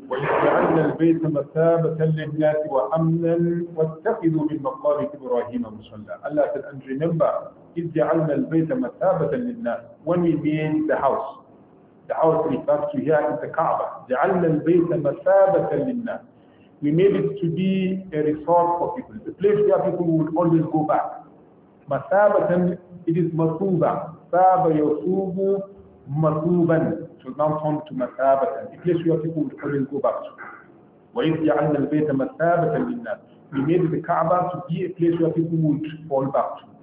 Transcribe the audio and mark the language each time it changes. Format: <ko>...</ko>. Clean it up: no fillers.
<ar>وإذ جعلنا البيت مثابة للناس وأمنا واتخذوا من مقام إبراهيم مصلى.</ar> <en>Allah said, and remember,</en> <ar>إذ جعلنا البيت مثابة للناس.</ar> <en>When we mean the house. The house refers to here in the Kaaba.</en> <ar>جعلنا البيت مثابة للناس.</ar> <en>We made it to be a resort for people. The place where people would always go back.</en> <ar>مثابة,</ar> <en>it is</en> <ar>مثوبة. Saba yosubu matuban.</ar> <en>So now turn to masabatan. The place where people would always go back to.</en> <ar>Wa idh ja'alna al-bayta masabatan lin-nas.</ar> <en>We made the Kaaba to be a place where people would fall back to.</en>